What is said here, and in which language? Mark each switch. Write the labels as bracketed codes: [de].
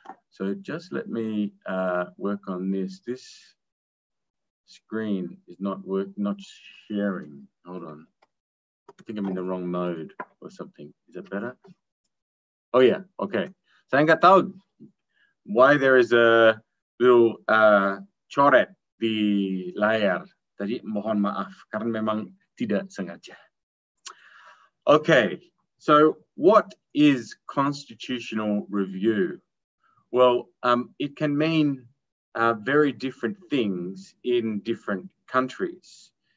[en] So just let me work on this. This screen is not sharing. Hold on. I think I'm in the wrong mode or something. Is that better? Oh yeah, okay. So I got told why there is a little [id] coret di layar. Tadi mohon maaf, karena memang tidak sengaja. [en] Okay, so what is constitutional review? Well, it can mean very different things in different countries.